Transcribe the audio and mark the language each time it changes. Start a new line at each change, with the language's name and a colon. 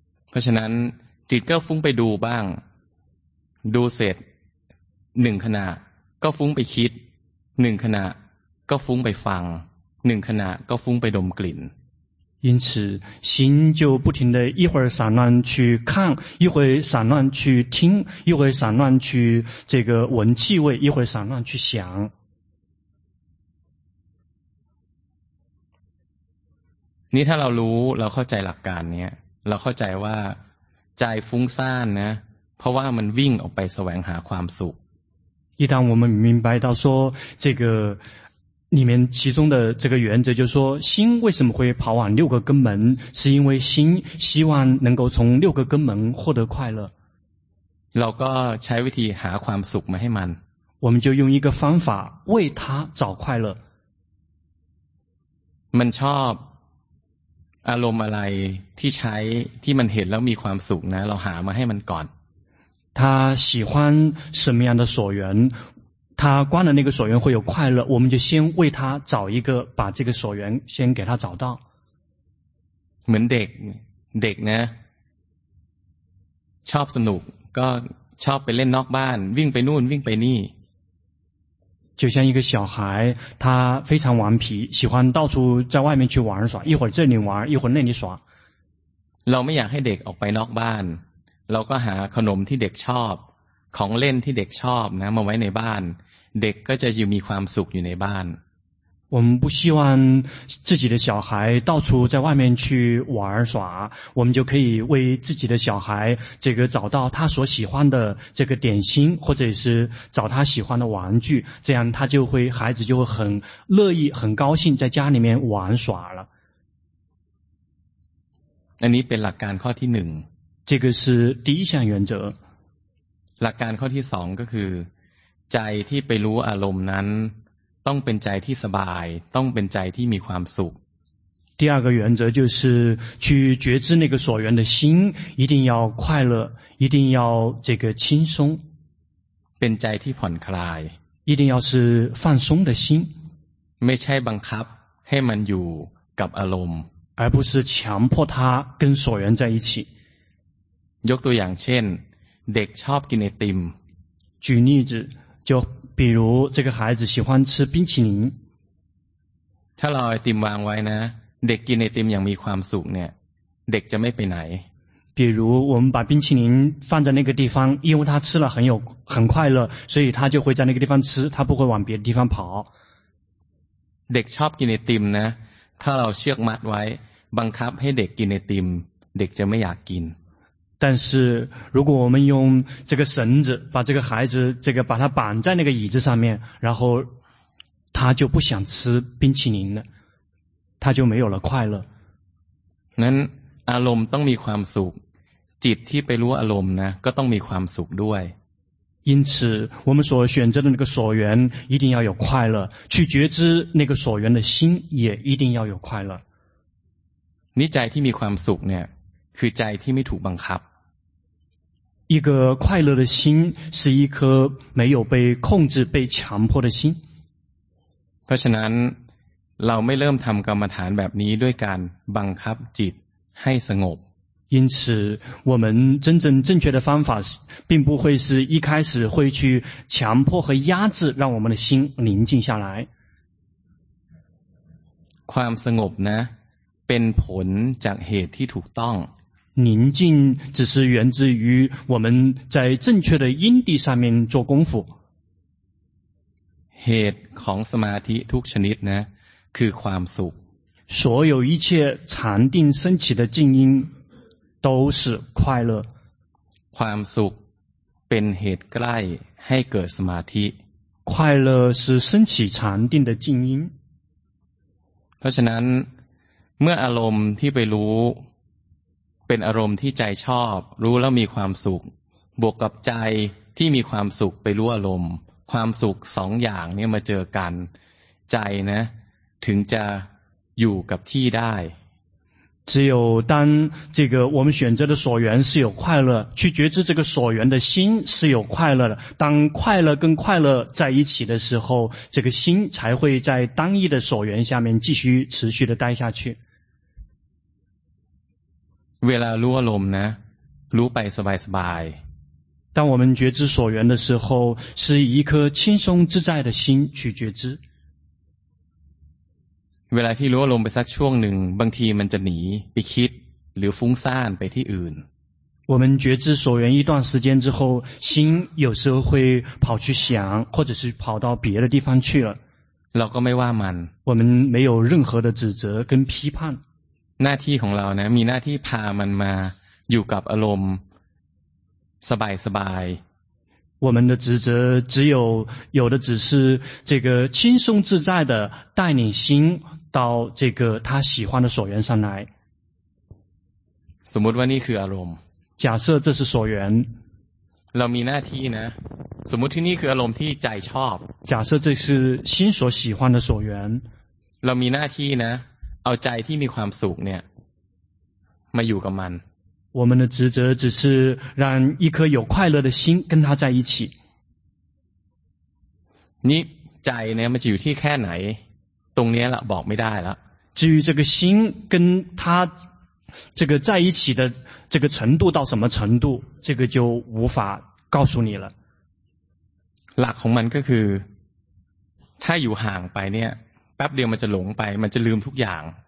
Thai: เพราะฉะนั้นจิตก็ฟุ้งไปดูบ้างดูเสร็จ1ขณะก็ฟุ้งไปคิด 1ขณะก็ฟุ้งไปฟัง1ขณะก็ฟุ้งไปดมกลิ่น
Chinese: 因此心就不停的一会儿散乱去看一会儿散乱去听一会儿散乱去这个闻气味一会儿散乱去想
Thai: นี่ถ้าเรารู้เราเข้าใจหลักการเนี้ยเราเข้าใจว่าใจฟุ้งซ่านนะเพราะว่ามันวิ่งออกไปแสวงหาความสุข
Chinese: 一旦我们明白到说这个里面其中的这个原则就是说心为什么会跑往六个根门是因为心希望能够从六个根门获得快乐
Thai: เราก็ใช้วิธีหาความสุขมาให้มัน
Chinese: 我们就用一个方法为他找快乐
Thai: มันชอบอารมณ์อะไรที่ใช้ที่มันเห็นแล้วมีความสุขนะเราหามาให้มันก่อน
Chinese: 他喜欢什么样的所缘他观的那个所缘会有快乐我们就先为他找一个把这个所缘先给他找到
Thai: เหมือนเด็กเด็กนะชอบสนุกก็ชอบไปเล่นนอกบ้านวิ่งไปนู่นวิ่งไปนี่
Chinese: 就像一个小孩他非常顽皮喜欢到处在外面去玩耍一会儿这里玩一会儿那里耍
Thai: เราไม่อยากให้เด็กออกไปนอกบ้านเราก็หาขนมที่เด็กชอบของเล่นที่เด็กชอบนะมาไว้ในบ้านเด็กก็จะอยู่มีความสุขอยู่ในบ้าน
Chinese: 我们不希望自己的小孩到处在外面去玩耍我们就可以为自己的小孩这个找到他所喜欢的这个点心或者是找他喜欢的玩具这样他就会孩子就会很乐意很高兴在家里面玩耍了
Thai: อันนี้เป็นหลักการข้อที่หนึ่ง
Chinese: 这个是第一项原则
Thai: หลักการข้อที่สองก็คือใจที่ไปรู้อารมณ์นั้นต้องเป็นใจที่สบายต้องเป็นใจที่มีความสุข
Chinese: 第二个原则就是去觉知那个所缘的心一定要快乐一定要这个轻松
Thai: เป็นใจที่ผ่อนคลาย
Chinese: 一定要是放松的心
Thai: ไม่ใช่บังคับให้มันอยู่กับอารมณ์
Chinese: 而不是强迫他跟所缘在一起
Thai: ยกตัวอย่างเช่นเด็กชอบกินไอติม
Chinese: 举例子就比如这个孩子喜欢吃冰淇淋
Thai: ถ้าเราไอติมวางไว้นะเด็กกินไอติมอย่างมีความสุขเนี่ยเด็กจะไม่ไปไหน
Chinese: 比如我们把冰淇淋放在那个地方因为他吃了很快乐所以他就会在那个地方吃他不会往别的地方跑
Thai: เด็กชอบกินไอติมนะถ้าเราเชือกมัดไว้บังคับให้เด็กกินไอติมเด็กจะไม่อยากกิน
Chinese: 但是如果我们用这个绳子把这个孩子这个把他绑在那个椅子上面然后他就不想吃冰淇淋了他就没有了快乐
Thai: นั้นอารมณ์ต้องมีความสุขจิตที่ไปรู้อารมณ์นะก็ต้องมีความสุขด้วย
Chinese: 因此我们所选择的那个所缘一定要有快乐去觉知那个所缘的心也一定要有快乐
Thai: นี่ใจที่มีความสุขเนี่ยคือใจที่ไม่ถูกบังคับ
Chinese: 一个快乐的心是一颗没有被控制被强迫的心
Thai: เพราะฉะนั้นเราไม่เริ่มทำกรรมฐานแบบนี้ด้วยการบังคับจิตให้สงบ
Chinese: 因此我们真正正确的方法并不会是一开始会去强迫和压制让我们的心宁静下来
Thai: ความสงบนะเป็นผลจากเหตุที่ถูกต้อง
Chinese: 宁静只是源自于我们在正确的因地上面做功夫
Thai: เหตุของสมาธิทุกชนิดนะคือความสุข
Chinese: 所有一切禅定升起的静因都是快乐
Thai: ความสุขเป็นเหตุใกล้ให้เกิดสมาธิ
Chinese: 快乐是升起禅定的静因
Thai: เพราะฉะนั้นเมื่ออารมณ์ที่ไปรู้เป็นอารมณ์ที่ใจชอบรู้แล้วมีความสุขบวกกับใจที่มีความสุขไปรู้อารมณ์ความสุขสองอย่างนี้มาเจอกันใจนะถึงจะอยู่กับที่ได้
Chinese: 只有当这个我们选择的所缘是有快乐去觉知这个所缘的心是有快乐的当快乐跟快乐在一起的时候这个心才会在单一的所缘下面继续持续的待下去
Thai: เวลารู้อารมณ์นะรู้ไปสบายสบาย
Chinese: 当我们觉知所缘的时候，是以一颗轻松自在的心去觉知。
Thai: เวลาที่รู้ลมไปสักช่วงหนึ่งบางทีมันจะหนีไปคิดหรือฟุ้งซ่านไปที่อื่น
Chinese: 我们觉知所缘一段时间之后，心有时候会跑去想，或者是跑到别的地方去了。
Thai: เราก็ไม่ว่ามัน
Chinese: 我们没有任何的指责跟批判。
Thai: หน้าที่ของเรานะมีหน้าที่พามันมาอยู่กับอารมณ์สบายสบาย
Chinese: 我们的职责只有有的只是这个轻松自在的带领心到这个他喜欢的所缘上来。
Thai: สมมติว่านี่คืออารมณ์
Chinese: 假设这是所缘
Thai: เรามีหน้าที่นะสมมติที่นี่คืออารมณ์ที่ใจชอบ
Chinese: 假设这是心所喜欢的所缘
Thai: เรามีหน้าที่นะเอาใจที่มีความสุขเนี่ยมาอยู่กับมัน
Chinese: 我们的职责只是让一颗有快乐的心跟他在一起。你
Thai: ใจเนี่ยมันจะอยู่ที่แค่ไหนตรงนี้ล่ะบอกไม่ได้แล้ว
Chinese: 至于这个心跟他这个在一起的这个程度到什么程度这个就无法告诉你了
Thai: หลักของมันก็คือถ้าอยู่ห่างไปเนี่ยแป๊บเดียวมันจะหลงไปมันจะลืมทุกอย่าง